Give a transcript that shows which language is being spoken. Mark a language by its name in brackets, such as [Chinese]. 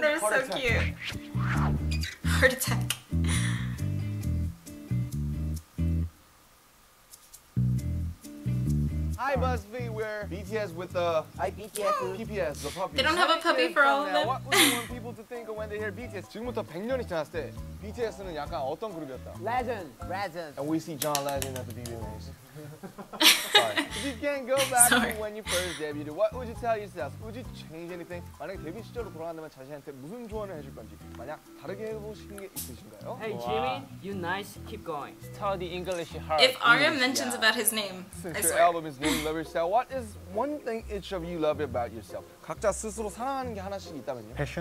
[English] They're so cute. Heart attack. Hi Buzzfeed, we're BTS with the PPS, the puppies. They don't have a puppy for all of them. What would you want people to think of when they hear BTS? [Korean] 지금부터 100년이 지났을 때 BTS는 약간 어떤 그룹이었다? [English] Legend. And we see John Legend at the VMAs. Sorry. If you can't go back to when you first debuted, what would you tell yourself? Would you change anything? [Korean] 만약에 데뷔 시절로 돌아간다면 자신한테 무슨 조언을 해줄 건지, 만약 다르게 해보고 싶은 게 있으신가요? [English] Hey Jimmy, you nice, keep going. Study English hard. If Arya mentions about his name, since I swear. Since your album is named Love Yourself, what is one thing each of you love about yourself? [Korean] 각자 스스로 사랑하는 게 하나씩 있다면요?